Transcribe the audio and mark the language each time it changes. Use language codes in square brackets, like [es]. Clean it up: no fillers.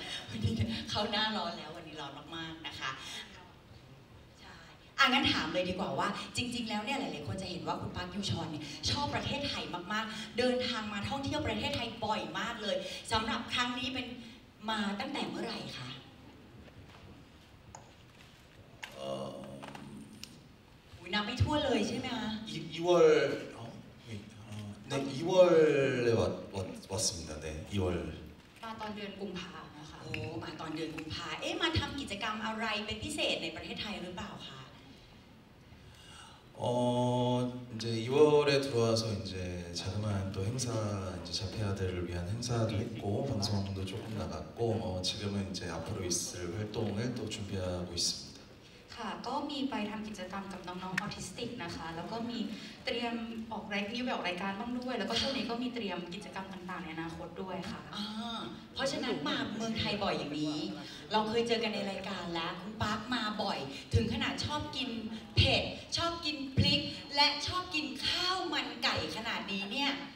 [th] วันนี้เข้าหน้าร้อนแล้ววันนี้ร้อนมากๆนะคะงั้นถามเลยดีกว่าว่าจริงๆแล้วเนี่ยหลายๆคนจะเห็นว่าคุณปาร์คยูชอนเนี่ยชอบประเทศไทยมากๆเดินทางมาท่องเที่ยวประเทศไทยบ่อยมากเลยสำหรับครั้งนี้เป็นมาตั้งแต่เมื่อไหร่คะอุ้ยนับไม่ทั่วเลยใช่ไหมคะ [ko] 2월어네2월에왔습니다네2월 [th] มาตอนเดือนกุมภาพันธ์นะคะ โอ้มาตอนเดือนกุมภาพันธ์เอ๊ะมาทำกิจกรรมอะไรเป็นพิเศษในประเทศไทยหรือเปล่าคะ [ko] 이제2월에들어와서이제자그마한 또 행사 이제 자폐아들을 위한 행사도 했고 방송도 조금 나갔고 지금은 이제 앞으로 있을 활동을 또 준비하고 있습니다. [th] ค่ะก็มีไปทำกิจกรรมกับน้องๆออทิสติกนะคะแล้วก็มีเตรียมออกรายการบ้างรายการบ้างด้วยแล้วก็ช่วงนี้ก็มีเตรียมกิจกรรมต่างๆในอนาคตด้วยค่ะ เพราะฉะนั้นมาเมืองไทยบ่อยอย่างนี้เราเคยเจอกันในรายการแล้วคุณปาร์คมาบ่อยถึงขนาดชอบกินเผ็ดชอบกินพริกและชอบกินข้าวมันไก่ขนาดนี้เนี่ย